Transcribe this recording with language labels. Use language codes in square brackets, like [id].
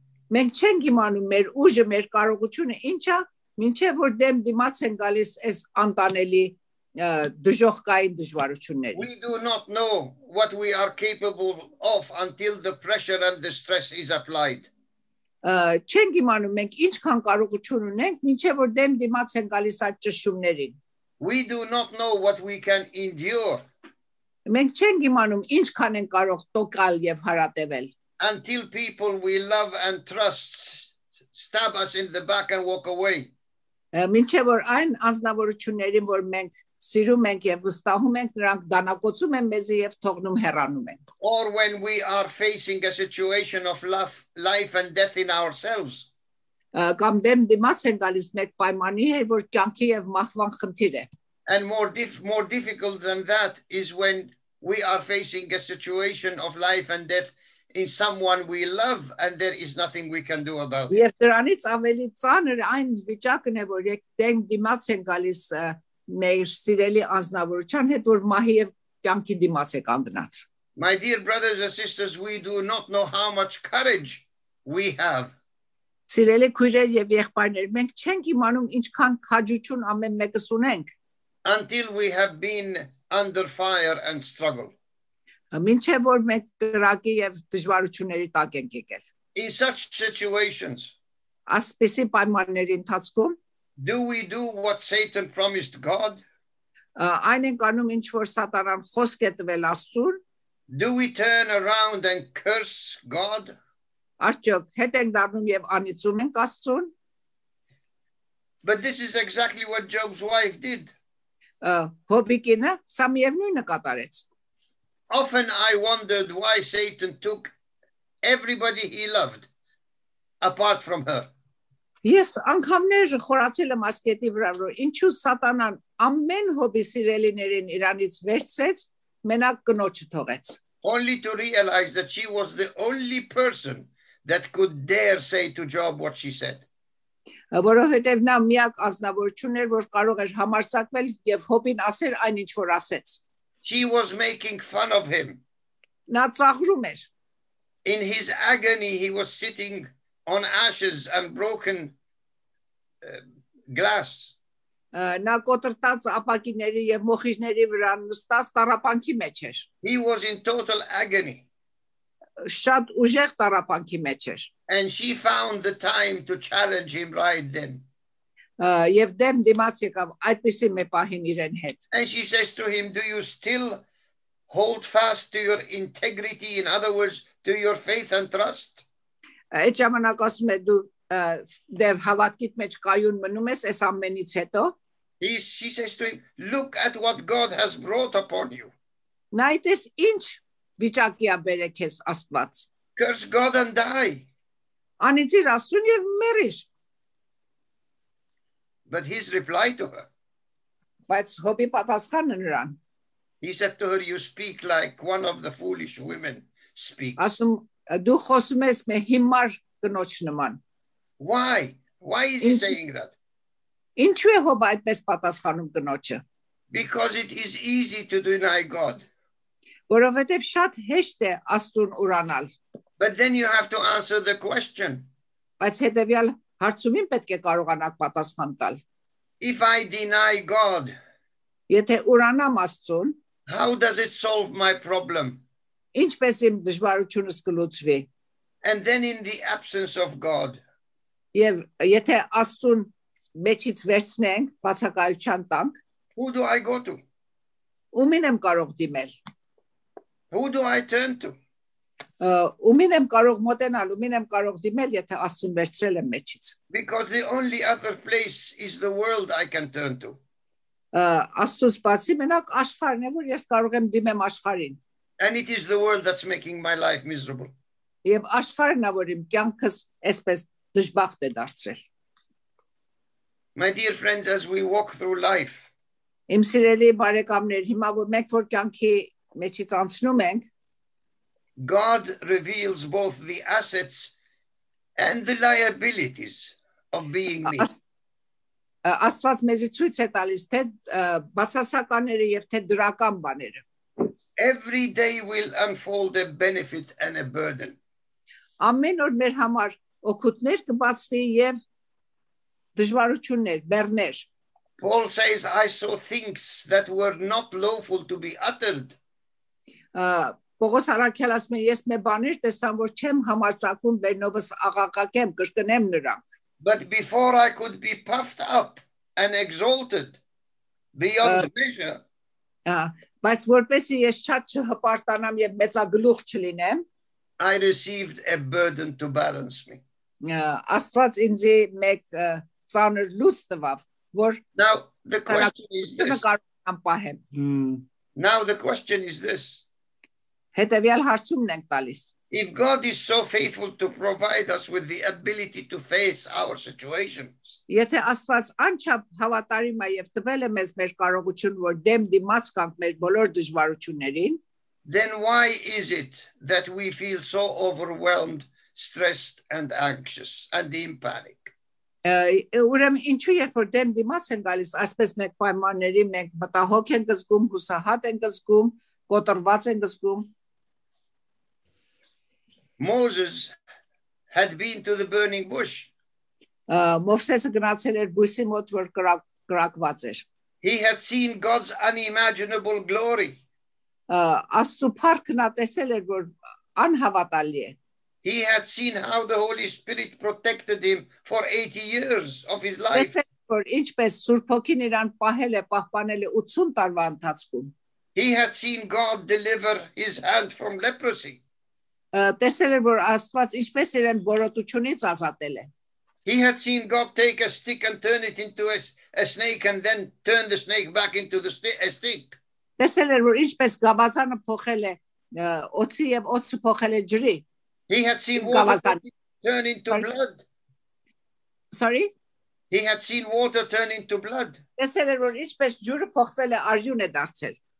[hy] Մենք չենք իմանում մեր ուժը, մեր կարողությունը ինչա, մինչև որ դեմ դիմաց են գալիս այս անտանելի դժոխքային դժվարությունները. [en] We do not know what we are capable of until the pressure and the stress is applied. [hy] Չենք իմանում մենք ինչքան կարողություն ունենք, մինչև որ դեմ դիմաց են գալիս այդ ճշումներին. [en] We do not know what we can endure. [hy] Մենք չենք իմանում ինչքան են կարող տոկալ եւ հարատևել. [en] Until people we love and trust stab us in the back and walk away. [hy] Մինչև որ այն անձնավորություններին, որ մենք սիրում ենք եւ վստահում ենք, նրանք դանակոծում են մեզ եւ թողնում հեռանում են. [en] Or when we are facing a situation of life and death in ourselves. [hy] Կամ դեմ դիմաց են գալիս մեկ պայմանի, որ կյանքի եւ մահվան խնդիր է. [en] And more difficult than that is when we are facing a situation of life and death in someone we love and there is nothing we can do about it. [hy] Եվ դրանից ավելի ծանր այն վիճակն է, որ դեմ դիմաց են գալիս մեր սիրելի անձնավորության հետ, որ մահի եւ կյանքի դիմաց է կանգնած. [en] My dear brothers and sisters, we do not know how much courage we have. [hy] Սիրելի քույրեր եւ եղբայրներ, մենք չենք իմանում ինչքան քաջություն ամեն մեկս ունենք. [en] Until we have been under fire and struggle. [hy] Մինչեւ որ մենք կրակի եւ դժվարությունների տակ ենք եկել. [en] In such situations, [hy] ասպիսի պայմանների ընթացքում, [en] do we do what Satan promised God? [hy] Այն ենք անում, ինչ որ Սատանան խոսք է տվել Աստծուն. [en] Do we turn around and curse God? [hy] Արդյոք հետ ենք դառնում եւ անիծում ենք Աստծուն? [en] But this is exactly what Job's wife did. [hy] Հոբիկինը սա միևնույնը կատարեց. [en] Often I wondered why Satan took everybody he loved apart from her. [hy] Ես անգամներ խորացել եմ ասկետի վրա, որ ինչու Սատանան ամեն հոբի սիրելիներին իրանից վերցրեց, մենակ կնոջը թողեց. [en] Only to realize that she was the only person that could dare say to Job what she said. [hy] Որովհետև նա միակ ազնվորություն էր, որ կարող էր համարձակվել եւ հոբին ասել այն, ինչ որ ասեց. [en] She was making fun of him. [hy] Նա ծաղրում էր. [en] In his agony he was sitting on ashes and broken glass. [hy] Նա կոտրտած ապակիների եւ մոխիրների վրա նստած տարապանքի մեջ էր. [en] He was in total agony. [hy] Շատ ուժեղ տարապանքի մեջ էր. [en] And she found the time to challenge him right then. [hy] Եվ դեմ դիմաց եկավ այդպեսի մի պահին իրեն հետ. [en] And she says to him, do you still hold fast to your integrity, in other words, to your faith and trust? [hy] Այդ ժամանակ ասում է, դու դեռ հավատքիդ մեջ կայուն մնում ես այս ամենից հետո? [en] She says to him, look at what God has brought upon you. [hy] Նա այդպես ինչ վիճակի է բերել քեզ Աստված. [en] Curse God and die. [hy] Անիծիր Աստծուն եւ մեռիր. [en] But his reply to her. [hy] Բայց հոբի պատասխանը նրան. [en] He said to her, you speak like one of the foolish women speak. [hy] Ասում դու խոսում ես մի հիմար կնոջ նման. [en] Why? Why is he saying that? [hy] Ինչու է հոբը այդպես պատասխանում կնոջը? [en] Because it is easy to deny God. [hy] Որովհետև շատ հեշտ է Աստծուն ուրանալ. [en] But then you have to answer the question. [hy] Բայց հետևյալ հարցումին պետք է կարողանաք պատասխան տալ. [en] If I deny God, [hy] եթե ուրանամ Աստծուն, [en] how does it solve my problem? [hy] Ինչպես իմ դժվարությունս կլուծվի? [en] And then in the absence of God. [hy] Եվ եթե Աստծուն մեջից վերցնենք, բացակայության տանք, [en] who do I go to? [hy] Ումին եմ կարող դիմել? [en] Who do I turn to? [hy] Ումին եմ կարող մոտենալ, ումին եմ կարող դիմել, եթե Աստծուն վերցրել է մեջից? [en] Because the only other place is the world I can turn to. [hy] Աստուծո բացի մենակ աշխարհն է որ ես կարող եմ դիմեմ աշխարհին. [en] And it is the world that's making my life miserable. [hy] Եվ աշխարհն է որ իմ կյանքս այսպես դժբախտ է դարձրել. [en] My dear friends, as we walk through life. [hy] Իմ սիրելի բարեկամներ, հիմա որ մենք որ կյանքի մեջից անցնում ենք, [en] God reveals both the assets and the liabilities of being me. [hy] Աստված մեզ ցույց է տալիս թե բացասականները եւ թե դրական բաները. [en] Every day will unfold a benefit and a burden. [hy] Ամեն օր մեր համար օգուտներ կբացվի եւ դժվարություններ, բեռներ. [en] Paul says I saw things that were not lawful to be uttered. [hy] Պողոս արաքյալ ասում է ես մեր բաներ տեսամ որ չեմ համարձակում բեռնովս աղաղակեմ կրկնեմ նրանք. [en] But before I could be puffed up and exalted beyond measure. [hy] Բայց որպեսզի ես չատ չհպարտանամ եւ մեծագլուխ չլինեմ. [en] I received a burden to balance me. [hy] Աստված ինձ մեկ ծանր լույս տվավ որ [en] Now the question is this. Now the question is this. [hy] Հետևյալ հարցումն ենք տալիս. [en] If God is so faithful to provide us with the ability to face our situations. [hy] Եթե Աստված անչափ հավատարիմ է եւ տվել է մեզ մեր կարողություն, որ դեմ դիմաց կանք մեր բոլոր դժվարություններին, [en] then why is it that we feel so overwhelmed, stressed and anxious and in panic? [hy] Ուրեմն ինչու երբ որ դեմ դիմաց են գալիս այսպես մեկ պայմանների, մենք մտահոգ ենք զգում, հուսահատ ենք զգում, կոտրված ենք զգում. [en] Moses had been to the burning bush. [hy] Մովսեսը գնացել էր բույսի մոտ, որ կրակված էր. [en] He had seen God's unimaginable glory. [hy] Աստծո փառքն ատեսել էր, որ անհավատալի է. [en] He had seen how the Holy Spirit protected him for 80 years of his life. [hy] Որ ինչպես Սուրբ Հոգին իրան պահել է, պահպանել է 80 տարվա ընթացքում. [en] He had seen God deliver his hand from leprosy. [hy] Տեսել էր որ Աստված ինչպես իրեն բորոտությունից ազատել է. [en] He had seen God take a stick and turn it into a snake and then turn the snake back into the stick. [hy] Տեսել էր որ ինչպես գավազանը փոխել է օձի եւ օձը փոխել է ջրի. [en] He had seen water turn into blood. Sorry? He had seen water turn into blood. [hy] Տեսել էր որ ինչպես ջուրը փոխվել է արյուն է դարձել.